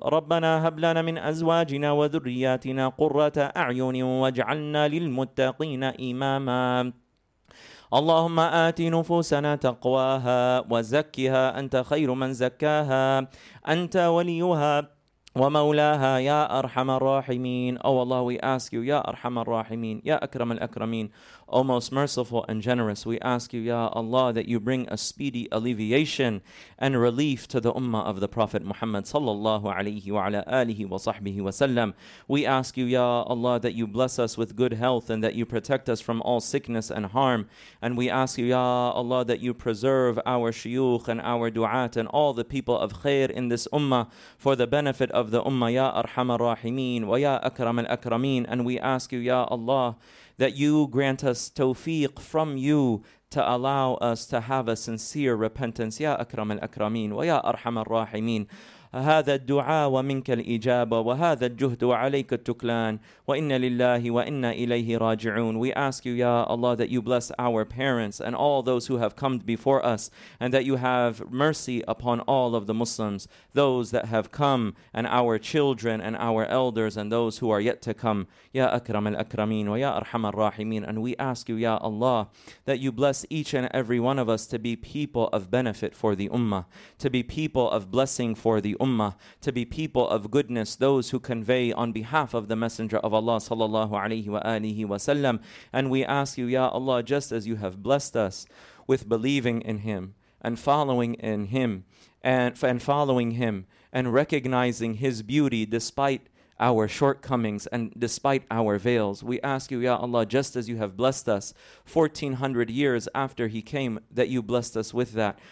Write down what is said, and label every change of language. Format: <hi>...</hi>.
<ar>ربنا هب لنا من أزواجنا وذرياتنا قرة أعين واجعلنا للمتقين إماما. اللهم آت نفوسنا تقواها وزكها أنت خير من زكاها أنت وليها ومولاها يا أرحم الراحمين.</ar> <en>Oh Allah, we ask you, Ya</en> <ar>أرحم الراحمين,</ar> <en>Ya</en> <ar>أكرم الأكرمين,</ar> <en>O most merciful and generous, we ask you, Ya Allah, that you bring a speedy alleviation and relief to the ummah of the Prophet Muhammad sallallahu alayhi wa ala alihi wa sahbihi wa sallam. We ask you, Ya Allah, that you bless us with good health and that you protect us from all sickness and harm. And we ask you, Ya Allah, that you preserve our shuyukh and our du'at and all the people of khair in this ummah for the benefit of the ummah,</en> <ar>Ya Arham al-Rahimeen wa Ya Akram al-Akrameen.</ar> <en>And we ask you, Ya Allah, that you grant us tawfiq from you to allow us to have a sincere repentance.</en> <ar>Ya akram al-akramin wa ya arham al-rahimin. هذا الدعاء ومنك الإجابة وهذا الجهد وعليك التكلان وإن لله وإن إليه راجعون.</ar> <en>We ask you, Ya Allah, that you bless our parents and all those who have come before us, and that you have mercy upon all of the Muslims, those that have come, and our children and our elders and those who are yet to come.</en> <ar>يا أكرم الأكرمين ويا أرحم الراحمين.</ar> <en>And we ask you, Ya Allah, that you bless each and every one of us to be people of benefit for the Ummah, to be people of blessing for the Ummah, to be people of goodness, those who convey on behalf of the Messenger of Allah sallallahu alayhi wa alihi wa sallam. And we ask you, Ya Allah, just as you have blessed us with believing in Him and following in Him and following Him and recognizing His beauty despite our shortcomings and despite our veils, we ask you, Ya Allah, just as you have blessed us 1400 years after He came, that you blessed us with that.</en>